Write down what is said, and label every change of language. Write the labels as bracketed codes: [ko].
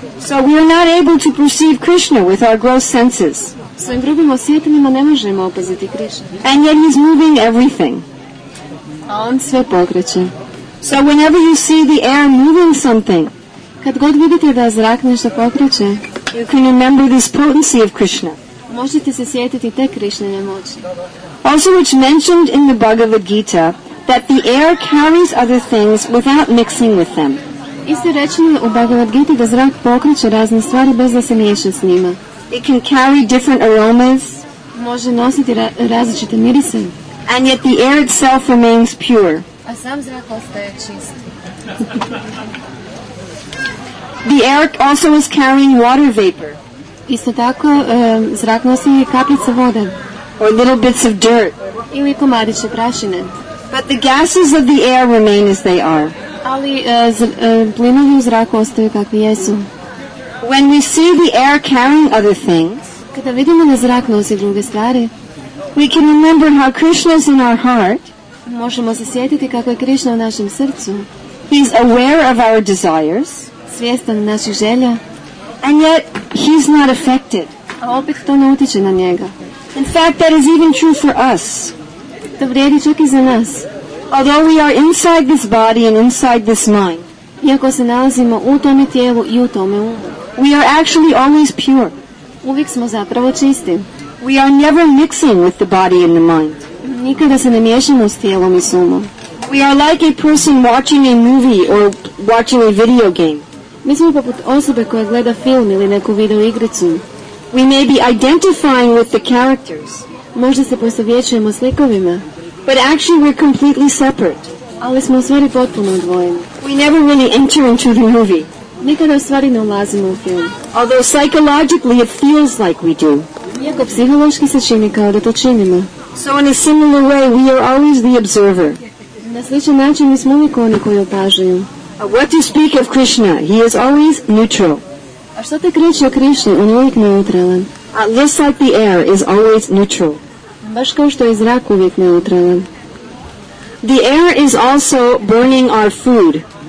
[en] So we are not able to perceive Krishna with our gross senses. [hr] Svojim grubim osjetilima ne možemo opaziti Krishna. [en] And yet he's moving everything. [hr] A on sve pokreće. [en] So whenever you see the air moving something, [hr] kad god vidite da zrak nešto pokreće, [en] you can remember this potency of Krishna. [hr] Možete se sjetiti te Krishnine moći. [en] Also, which mentioned in the Bhagavad Gita, that the air carries other things without mixing with them. [hr] Isto je rečeno u Bhagavad Gita da zrak pokreće razne stvari bez da se miješa s njima. [en] It can carry different aromas. [hr] Može nositi različite mirise. [en] And yet the air itself remains pure. [hr] A sam zrak ostaje čist. [en] The air also is carrying water vapor. [hr] Isto tako, zrak nosi I kapljice vode. [en] Or little bits of dirt. [hr] Ili komadiće prašine. [en] But the gases of the air remain as they are. [hr] Ali plinovi u zraku ostaju kakvi jesu. [en] When we see the air carrying other things, [hr] kada vidimo da zrak nosi druge stvari, [en] we can remember how Krishna is in our heart. [hr] Možemo se sjetiti kako je Krishna u našem srcu. [en] He's aware of our desires. [hr] Svjestan naših želja. [en] And yet he's not affected. [hr] A opet to ne utiče na njega. [en] In fact, that is even true for us. [hr] To vrijedi čak I za nas. [en] Although we are inside this body and inside this mind, [hr] iako se nalazimo u tome tijelu I u tome umu, [en] we are actually always pure. [hr] Uvijek smo zapravo čisti. [en] We are never mixing with the body and the mind. [hr] Nikada se ne miješamo s tijelom I s umom. [en] We are like a person watching a movie or watching a video game. [hr] Mi smo poput osobe koja gleda film ili neku video igricu. [en] We may be identifying with the characters. [hr] Možda se poistovjećujemo s likovima. [en] But actually we're completely separate. [hr] Ali smo u stvari potpuno odvojeni. [en] We never really enter into the movie. [hr] Nikada u stvari ne ulazimo u film. [en] Although psychologically it feels like we do. [hr] Iako psihološki se čini kao da to činimo. [en] So in a similar way we are always the observer. [hr] Na sličan način mi smo uvijek oni koji opažaju. [en] What do you speak of Krishna? He is always neutral. [hr] A što te kreće o Krishni? On je uvijek neutralan. [en] Just like the air is always neutral. [hr] Baš kao što je zrak uvijek neutralan. [en] The air is also burning our food.